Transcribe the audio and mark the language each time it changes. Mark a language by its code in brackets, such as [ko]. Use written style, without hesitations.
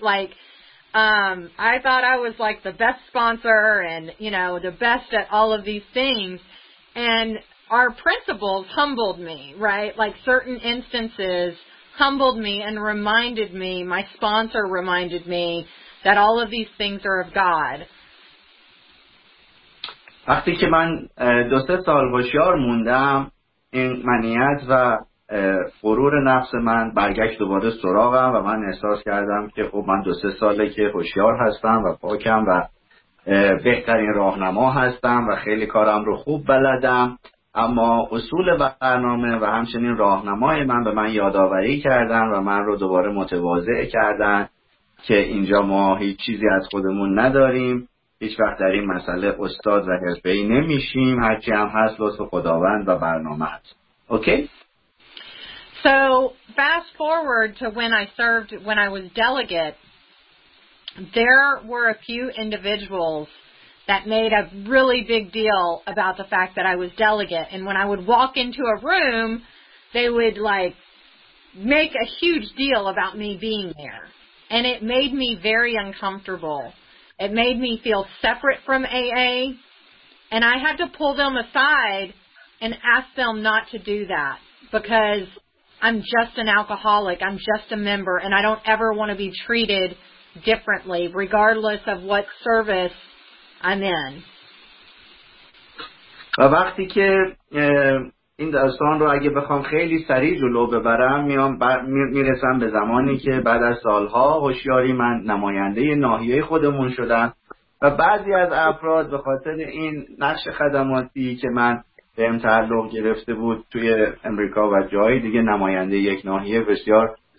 [en] Like, I thought I was like the best sponsor and, you know, the best at all of these things. And our principles humbled me, right? Like certain instances humbled me and reminded me, my sponsor reminded me that all of these things are of God. [fa] وقتی که من 2-3 سال هوشیار موندم، این منیت و غرور نفس من برگشت دوباره سراغم و من احساس کردم که خب من 2-3 ساله که هوشیار هستم و پاکم و بهترین راهنما هستم و خیلی کارم رو خوب بلدم، اما اصول برنامه و همچنین راهنمای من به من یادآوری کردن و من رو دوباره متواضع کردن که اینجا ما هیچ چیزی از خودمون نداریم، هیچ وقت در این مسئله استاد و حرفه‌ای نمیشیم، هرچی هم هست لطف خداوند و برنامه هست. [en] Okay? So fast forward to when I served, when I was delegate, there were a few individuals that made a really big deal about the fact that I was delegate. And when I would walk into a room, they would like make a huge deal about me being there. And it made me very uncomfortable. It made me feel separate from AA. And I had to pull them aside and ask them not to do that because I'm just an alcoholic. I'm just a member. And I don't ever want to be treated differently, regardless of what service آمین. [fa] و وقتی که این داستان رو اگه بخوام خیلی سریع جلو ببرم، میرسم به زمانی که بعد از سالها هوشیاری من نماینده ناحیه خودمون شدم و بعضی از افراد به خاطر این نقش خدماتی که من به ام تعلق گرفته بود توی امریکا و جایی دیگه، نماینده یک ناحیه بسیار